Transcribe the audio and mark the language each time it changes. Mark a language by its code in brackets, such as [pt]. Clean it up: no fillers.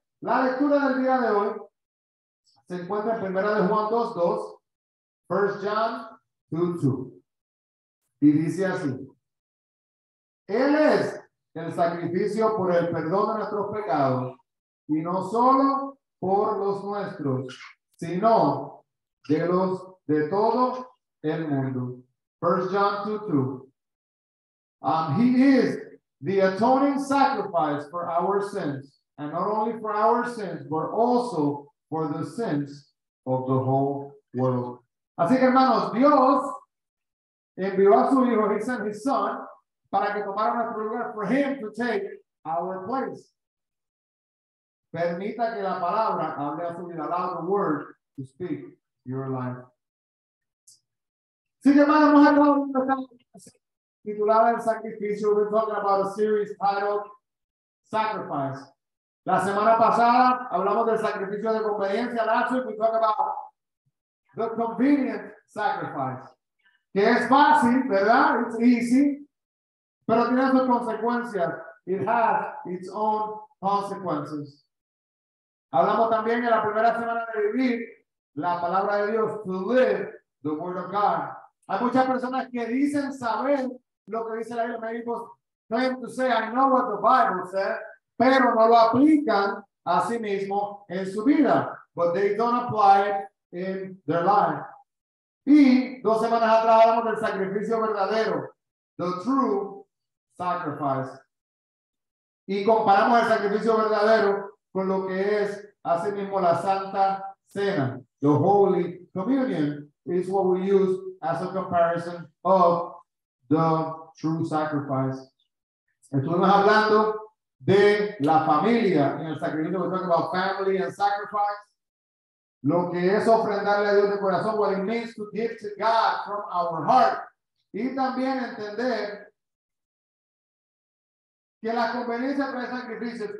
[es] La lectura del día de hoy se encuentra en 1 Juan 2:2, [en] 1 John 2:2, [es] y dice así: Él es el sacrificio por el perdón de nuestros pecados, y no solo por los nuestros, sino de los de todo el mundo. [en] 1 John 2:2. He is the atoning sacrifice for our sins, and not only for our sins, but also for the sins of the whole world. [es] Así que, hermanos, Dios envió a su hijo, [en] he sent his son, [es] para que tomara nuestro lugar, [en] for him to take our place. [es] Permita que la palabra hable a su vida. [en] Allow the word to speak your life. [es] Sí, hermano, hemos hablado titulada El Sacrificio. [en] We're talking about a series titled Sacrifice. [es] La semana pasada hablamos del sacrificio de conveniencia. [en] Last week we talked about the convenient sacrifice. [es] Que es fácil, ¿verdad? [en] It's easy. [es] Pero tiene sus consecuencias. [en] It has its own consequences. [es] Hablamos también en la primera semana de vivir la palabra de Dios, [en] to live the word of God. [es] Hay muchas personas que dicen saber lo que dice la Biblia, me dijo, [en] claim to say, I know what the Bible said, [es] pero no lo aplican a sí mismo en su vida, [en] but they don't apply it in their life. [es] Y dos semanas atrás hablamos del sacrificio verdadero, [en] the true sacrifice. [es] Y comparamos el sacrificio verdadero con lo que es así mismo la Santa Cena. [en] The Holy Communion is what we use as a comparison of the true sacrifice. [es] Estuvimos hablando de la familia en el sacrificio. [en] We're talking about family and sacrifice. [es] Lo que es ofrendarle a Dios de corazón, [en] what it means to give to God from our heart. [es] Y también entender que la conveniencia trae sacrificio.